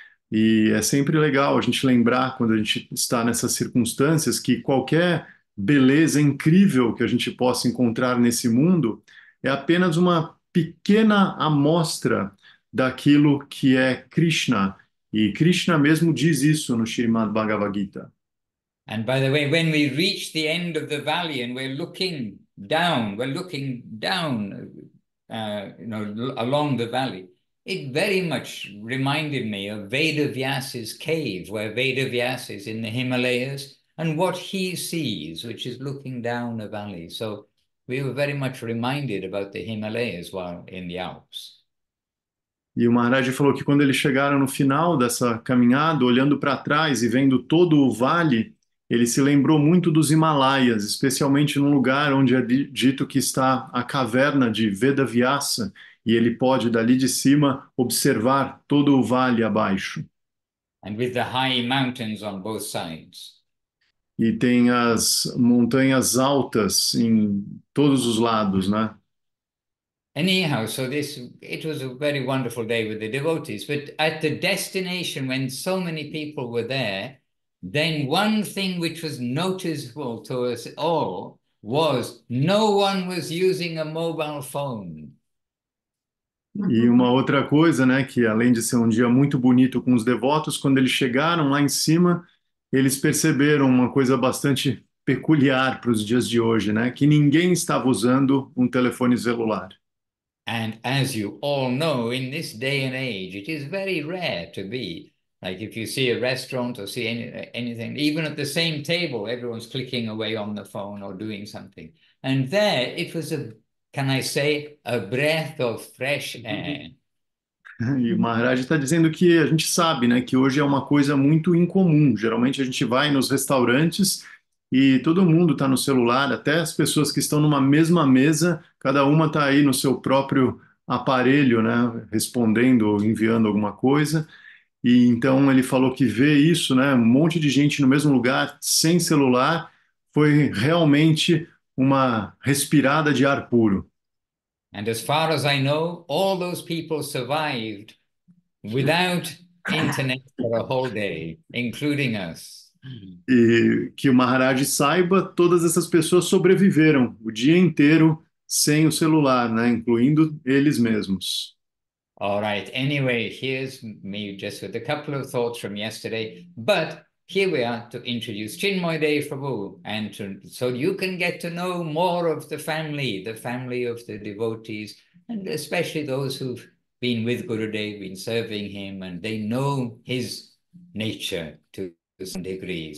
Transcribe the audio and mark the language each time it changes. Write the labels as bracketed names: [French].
[Portuguese] E é sempre legal a gente lembrar, quando a gente está nessas circunstâncias, que qualquer beleza incrível que a gente possa encontrar nesse mundo é apenas uma pequena amostra daquilo que é Krishna. E Krishna mesmo diz isso no Srimad Bhagavad Gita. [English] And by the way, when we reach the end of the valley and we're looking down, you know, along the valley, it very much reminded me of Veda Vyasa's cave, where Veda Vyasa is in the Himalayas, and what he sees, which is looking down a valley. So we were very much reminded about the Himalayas while in the Alps. [Portuguese] E o Maharaj falou que quando eles chegaram no final dessa caminhada, olhando para trás e vendo todo o vale, ele se lembrou muito dos Himalaias, especialmente num lugar onde é dito que está a caverna de Veda Vyasa, e ele pode, dali de cima, observar todo o vale abaixo. [English] And with the high mountains on both sides. [Portuguese] E tem as montanhas altas em todos os lados, né? [English] Anyhow, so this, it was a very wonderful day with the devotees, but at the destination when so many people were there, then one thing which was noticeable to us all was no one was using a mobile phone. [Portuguese] E uma outra coisa, né, que além de ser um dia muito bonito com os devotos, quando eles chegaram lá em cima, eles perceberam uma coisa bastante peculiar para os dias de hoje, né, que ninguém estava usando um telefone celular. [English] And as you all know, in this day and age, it is very rare to be, like if you see a restaurant or see anything, even at the same table, everyone's clicking away on the phone or doing something. And there, it was a, can I say, a breath of fresh air. [Portuguese] E o Maharaj está dizendo que a gente sabe, né, que hoje é uma coisa muito incomum. Geralmente a gente vai nos restaurantes E todo mundo está no celular, até as pessoas que estão numa mesma mesa, cada uma está aí no seu próprio aparelho, né, respondendo ou enviando alguma coisa. E então ele falou que vê isso, né, um monte de gente no mesmo lugar, sem celular, foi realmente uma respirada de ar puro. [English] And as far as I know, all those people survived without internet for a whole day, including us. [Portuguese] E que o Maharaj saiba, todas essas pessoas sobreviveram o dia inteiro sem o celular, né, incluindo eles mesmos. [English] All right, anyway, here's me just with a couple of thoughts from yesterday, but here we are to introduce Chinmoy Dev Prabhu, and to, so you can get to know more of the family of the devotees, and especially those who've been with Gurudev, been serving him, and they know his nature to some degree.